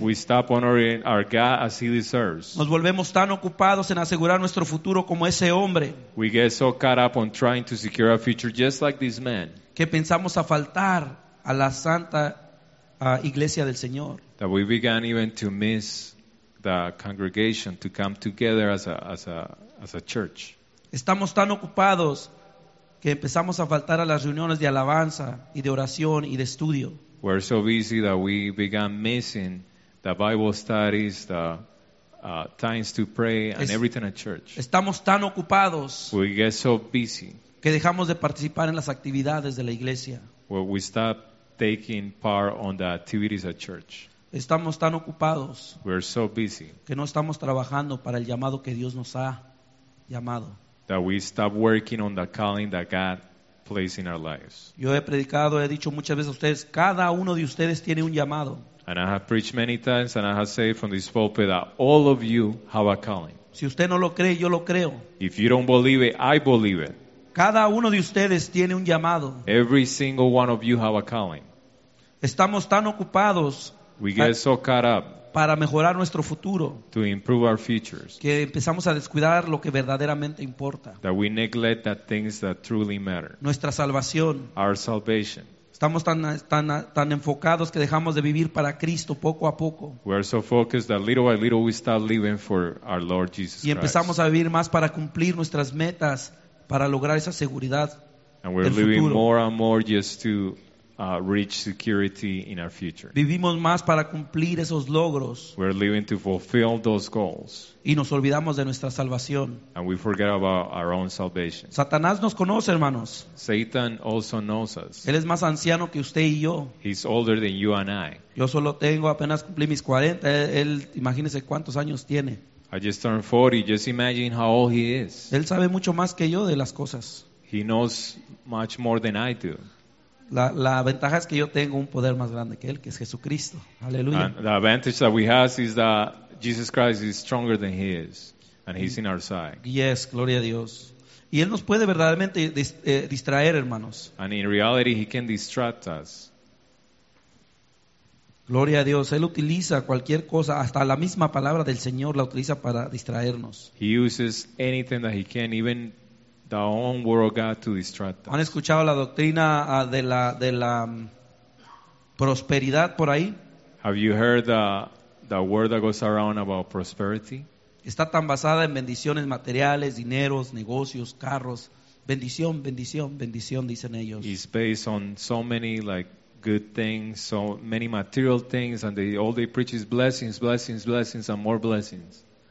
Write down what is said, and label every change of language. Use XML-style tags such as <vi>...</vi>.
<en>We stop honoring our God as He deserves.</en> <es>Nos volvemos tan ocupados en asegurar nuestro futuro como ese hombre.</es> <en>We get so caught up on trying to secure our future just like this man.</en> <es>Que pensamos a faltar a la santa iglesia del Señor.</es> <en>That we began even to miss the congregation to come together as a church.</en> <es>Estamos tan ocupados que empezamos a faltar a las reuniones de alabanza y de oración y de estudio.</es> <en>We're so busy that we began missing the Bible studies, the times to pray and everything at church.</en> <es>Estamos tan ocupados.</es> <en>We get so busy</en> <es>que dejamos de participar en las actividades de la iglesia.</es> <en>Well, we stop taking part on the activities at church.</en> <es>Estamos tan ocupados.</es> <en>We're so busy.</en> <es>Que no estamos trabajando para el llamado que Dios nos ha llamado.</es> <en>That we stop working on the calling that God placed in our lives.</en> <es>Yo he predicado, he dicho muchas veces a ustedes, cada uno de ustedes tiene un llamado.</es> <en>And I have preached many times and I have said from this pulpit that all of you have a calling.</en> <es>Si usted no lo cree, yo lo creo.</es> <en>If you don't believe it, I believe it.</en> <es>Cada uno de ustedes tiene un llamado.</es> <en>Every single one of you have a calling.</en> <es>Estamos tan ocupados.</es> <en>We get so caught up</en> <es>para mejorar nuestro futuro,</es> <en>to improve our futures,</en> <es>que empezamos a descuidar lo que verdaderamente importa,</es> <en>that we neglect the things that truly matter,</en> <es>nuestra salvación,</es> <en>our salvation.</en> <es>Estamos tan enfocados que dejamos de vivir para Cristo poco a poco.</es> <en>We are so focused that little by little we start living for our Lord Jesus Christ.</en> <es>Y empezamos a vivir más para cumplir nuestras metas, para lograr esa seguridad del futuro.</es> <en>And we're living more and more just to reach security in our future.</en> <es>Vivimos más para cumplir esos logros.</es> <en>We're living to fulfill those goals.</en> <es>Y nos olvidamos de nuestra salvación.</es> <en>And we forget about our own salvation.</en> <es>Satanás nos conoce, hermanos.</es> <en>Satan also knows us.</en> <es>Él es más anciano que usted y yo.</es> <en>He's older than you and I.</en> <es>Yo solo tengo apenas cumplí mis 40. Él, imagínese cuántos años tiene.</es> <en>I just turned 40. Just imagine how old he is.</en> <es>Él sabe mucho más que yo de las cosas. He knows much more than I do. La ventaja es que yo tengo un poder más grande que él, que es Jesucristo. Aleluya.</es> <en>And the advantage that we have is that Jesus Christ is stronger than he is, and he's in our side. Yes,</en> <es>gloria a Dios. Y él nos puede verdaderamente distraer, hermanos.</es> <en>And in reality, he can distract us.</en> <es>Gloria a Dios. Él utiliza cualquier cosa, hasta la misma palabra del Señor la utiliza para distraernos.</es> <en>He uses anything that he can, even the own word of God to distract us.</en> <es>¿Han escuchado la doctrina de la prosperidad por ahí?</es> <en>Have you heard the word that goes around about prosperity?</en> <es>Está tan basada en bendiciones materiales, dineros, negocios, carros, Bendición, bendición, bendición, dicen ellos.</es> <en>It's based on so many like good things, so many material things, and all they preach is blessings, blessings, blessings, and more blessings.</en>